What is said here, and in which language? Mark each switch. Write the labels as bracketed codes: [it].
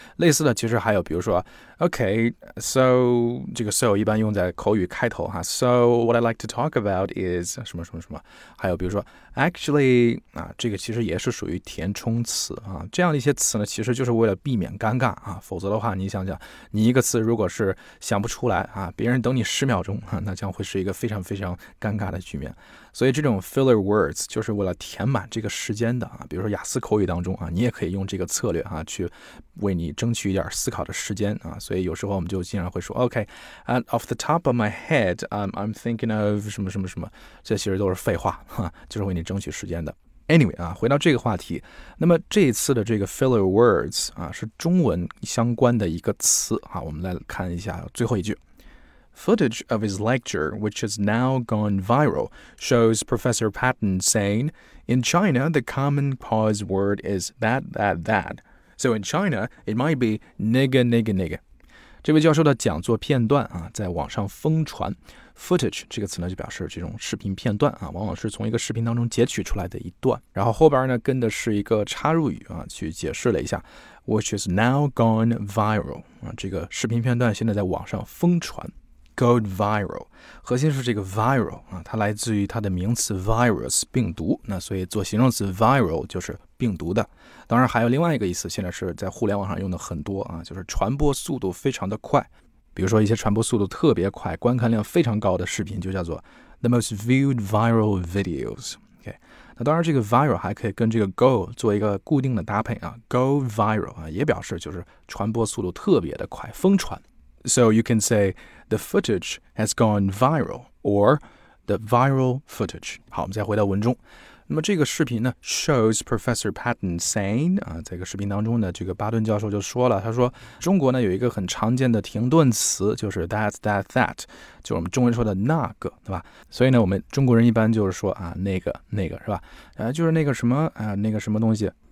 [zh] 类似的其实还有，比如说 ，okay, so 这个 so 一般用在口语开头哈。 [en] So what I like to talk about is [zh] 什么什么什么。还有比如说 ，actually 啊，这个其实也是属于填充词啊。这样的一些词呢，其实就是为了避免尴尬啊。否则的话，你想想，你一个词如果是想不出来啊，别人等你十秒钟啊，那将会是一个非常非常尴尬的局面。所以这种 filler words 就是为了填满这个时间的啊。比如说雅思口语当中啊，你也可以用这个策略啊，去为你争取一点思考的时间啊。所以有时候我们就经常会说 ， [en] Okay, and off the top of my head, I'm thinking of [zh] 什么什么什么，这其实都是废话哈，就是为你争取时间的。 Anyway 啊，回到这个话题，那么这一次的这个 filler words 啊，是中文相关的一个词啊。我们来看一下最后一句。 [en] Footage of his lecture, which has now gone viral, shows Professor Patton saying, in China, the common pause word is that, that, that. So in China, it might be nigga, nigga, nigga. [zh] 这位教授的讲座片段啊，在网上疯传。Footage 这个词呢，就表示这种视频片段啊，往往是从一个视频当中截取出来的一段。然后后边呢，跟的是一个插入语啊，去解释了一下。 [en] Which has now gone viral. [zh] 啊，这个视频片段现在在网上疯传。Go viral, 核心是这个 viral,啊，它来自于它的名词 virus, 病毒，那所以做形容词 viral 就是病毒的。当然还有另外一个意思，现在是在互联网上用的很多，啊，就是传播速度非常的快。比如说一些传播速度特别快，观看量非常高的视频就叫做 [en] the most viewed viral videos。 [zh] Okay, 那当然这个 viral 还可以跟这个 go 做一个固定的搭配，啊，go viral,啊，也表示就是传播速度特别的快，疯传。 [en] So you can say the footage has gone viral or the viral footage. [zh] 好，我们再回到文中。那么这个视频呢 [en] shows Professor Patton saying, [zh] 啊，这个视频当中呢，这个巴顿教授就说了，他说中国呢有一个很常见的停顿词，就是 [en] that, that, that, [zh] 就是我们中文说的那个，对吧？所以呢，我们中国人一般就是说啊，那个，那个，是吧？就是那个什么，那个什么东西。